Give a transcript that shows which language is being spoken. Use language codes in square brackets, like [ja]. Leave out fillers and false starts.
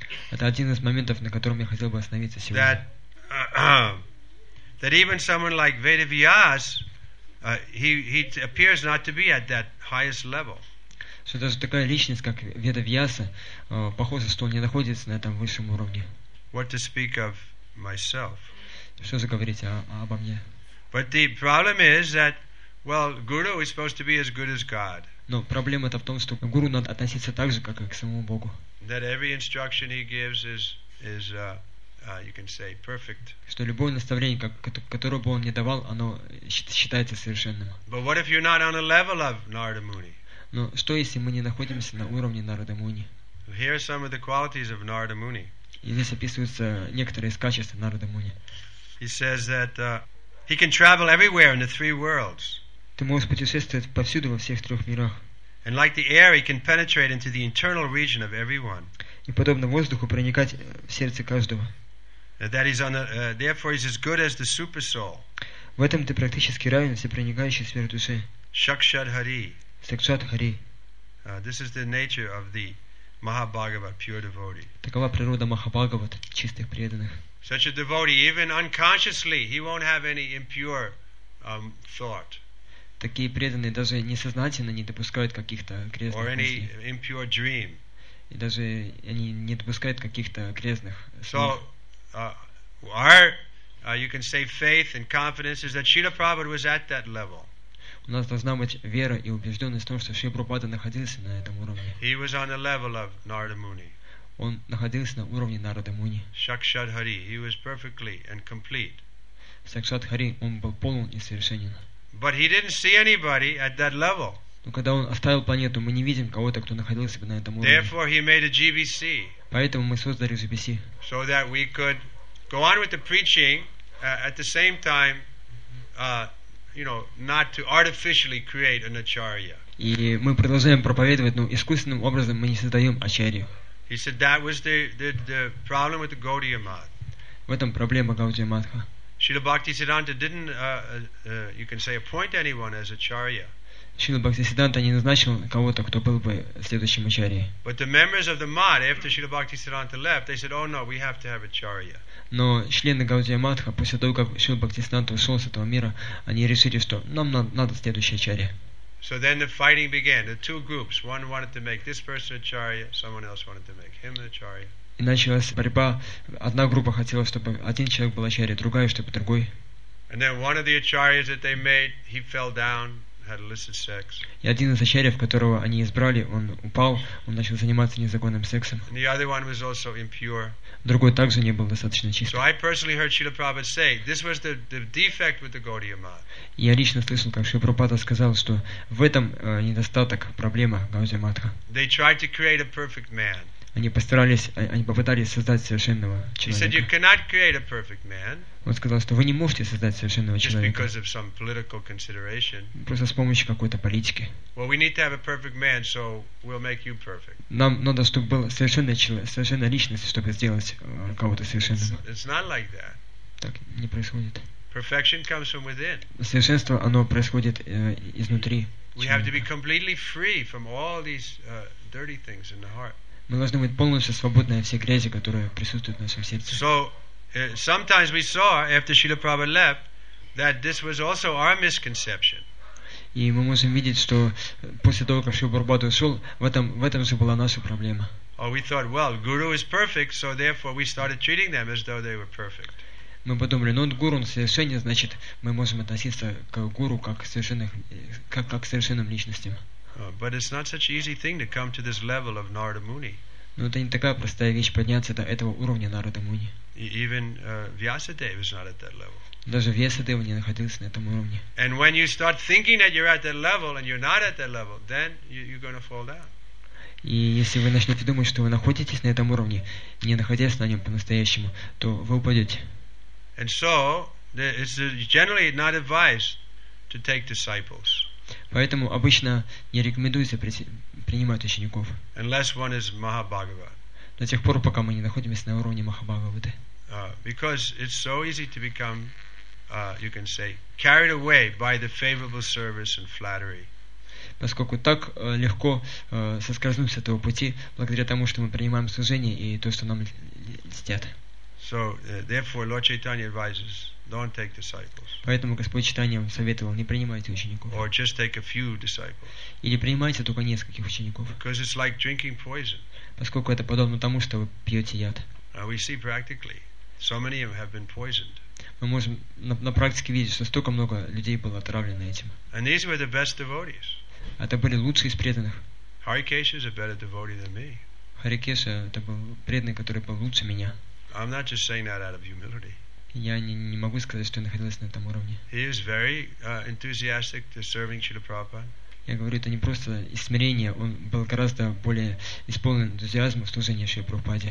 [ru] Это один из моментов, на котором я хотел бы остановиться сегодня. [en] That even someone like Vedavyas, he appears not to be at that highest level. [ru] Что даже такая личность, как Ведавьяса, похоже, что он не находится на этом высшем уровне. [en] What to speak of myself? [ru] Что же говорить обо мне? [en] But the problem is that, well, Guru is supposed to be as good as God. [ru] Но проблема-то в том, что гуру надо относиться так же, как и к самому Богу. [en] That every instruction he gives is you can say perfect. [ru] Что любое наставление, которое бы он не давал, оно считается совершенным. [en] But what if you're not on a level of Narada Muni? [ru] Но что если мы не находимся на уровне Нарада Муни? [en] Here are some of the qualities of Narada Muni. [ru] И здесь описываются некоторые из качеств Нарада Муни. [en] He says that he can travel everywhere in the three worlds. [ru] Ты можешь путешествовать повсюду во всех трех мирах. [en] And like the air, he can penetrate into the internal region of everyone. [ru] И подобно воздуху проникать в сердце каждого. [en] That is on a, therefore he's as good as the super soul. [ru] В этом ты практически равен всепроникающей сверхдуше. [sa] Шакшад Хари. Сакшад Хари. [en] This is the nature of the Mahabhagavat, pure devotee. [ru] Такова природа Махабхагават, чистых преданных. [en] Such a devotee, even unconsciously, he won't have any impure thought. [ru] Такие преданные даже несознательно не допускают каких-то грязных [en] or any [ru] мыслей. [en] Impure dream. [ru] И даже они не допускают каких-то грязных снов. [en] You can say faith and confidence is that Srila Prabhupada was at that level. [ru] У нас должна быть вера и убежденность в том, что Шрила Прабхупада находился на этом уровне. [en] He was on the level of Narada Muni. [ru] Он находился на уровне Нарада Муни. [en] Шакшад Хари, he was perfectly and complete. [ru] Сакшад Хари, он был полон и совершенен. [en] But he didn't see anybody at that level. [ru] Но когда он оставил планету, мы не видим кого-то, кто находился бы на этом уровне. [en] Therefore, he made a GBC. [ru] Поэтому мы создали GBC. [en] So that we could go on with the preaching at the same time, you know, not to artificially create an acharya. [ru] И мы продолжаем проповедовать, но искусственным образом мы не создаем ачарью. [en] He said that was the problem with the Gaudiya Math. [ru] В этом проблема Гаудия Матха. [en] Srila Bhaktisiddhanta didn't, you can say, appoint anyone as acharya. [ru] Шрила Бхактисиддханта не назначил кого-то, кто был бы следующим ачарьей. [en] But the members of the Math, after Srila Bhaktisiddhanta left, they said, "Oh no, we have to have acharya." [ru] Но члены Гаудия Матха после того, как Шрила Бхактисиддханта ушел с этого мира, они решили, что нам надо следующий ачарья. [en] So then the fighting began. The two groups: one wanted to make this person acharya, someone else wanted to make him acharya. [ru] И началась борьба. Одна группа хотела, чтобы один человек был ачарьей, другая, чтобы другой. [en] And then one of the acharyas that they made, he fell down. [ru] И один из ачарьев, которого они избрали, он упал, он начал заниматься незаконным сексом. [en] And the other one was also impure. [ru] Другой также не был достаточно чист. [en] So I personally heard Srila Prabhupada say, this was the defect with the Gaudiya Math. [ru] Я лично слышал, как Шрила Прабхупада сказал, что в этом недостаток, проблема Гаудия Матха. [en] They tried to create a perfect man. [ru] Они попытались создать совершенного человека. [en] He said, you cannot create a perfect man. [ru] Он сказал, что вы не можете создать совершенного человека. [en] Just because of some political consideration. [ru] Просто с помощью какой-то политики. [en] Well, we need to have a perfect man, so we'll make you perfect. [ru] Нам надо, чтобы был совершенный человек, совершенная личность, чтобы сделать кого-то совершенным. [en] It's not like that. [ru] Так не происходит. [en] Perfection comes from within. [ru] Совершенство, оно происходит изнутри. [en] We have to be completely free from all these dirty things in the heart. [ru] Мы должны быть полностью свободны от всей грязи, которая присутствует в нашем сердце. [en] So, sometimes we saw after Srila Prabhupada left that this was also our misconception. [ru] И мы можем видеть, что после того, как Шрила Прабхупада ушел, в этом же была наша проблема. [en] Or we thought, well, Guru is perfect, so therefore we started treating them as though they were perfect. [ru] Мы подумали, ну, Гуру совершенен, значит, мы можем относиться к Гуру как к совершенным личностям. [en] But it's not such an easy thing to come to this level of Narada Muni. [ru] Но это не такая простая вещь подняться до этого уровня Нарада Муни. [en] Even Vyasadeva is not at that level. [ru] Даже Вьясадева не находился на этом уровне. [en] And when you start thinking that you're at that level and you're not at that level, then you're going to fall down. [ru] И если вы начнете думать, что вы находитесь на этом уровне, не находясь на нем по-настоящему, то вы упадете. [en] And so it's generally not advised to take disciples. [ru] Поэтому обычно не рекомендуется принимать учеников. [en] Unless one is Mahabhagava. [ru] До тех пор, пока мы не находимся на уровне Махабхагаваты. [en] Because it's so easy to become, you can say, carried away by the favorable service and flattery. [ru] Поскольку так легко соскользнуть с этого пути, благодаря тому, что мы принимаем служение и то, что нам льстят. [en] So, therefore, Lord Chaitanya advises, don't take disciples. [ru] Поэтому Господь Читания советовал, не принимайте учеников. [en] Or just take a few disciples. [ru] Или принимайте только нескольких учеников. [en] Because it's like drinking poison. [ru] Поскольку это подобно тому, что вы пьете яд. [en] We see practically, so many of them have been poisoned. [ru] Мы можем на практике видеть, что столько много людей было отравлено этим. [en] And these were the best devotees. [ru] Это были лучшие из преданных. [en] Харикеша is a better devotee than me. [ru] Харикеша это был преданный, который был лучше меня. [en] I'm not just saying that out of humility. [ru] Я не могу сказать, что я находился на этом уровне. [en] He is very enthusiastic to serving Srila Prabhupada. [ru] Я говорю, это не просто из смирения, он был гораздо более исполнен энтузиазмом в служении Шри Прабхупаде.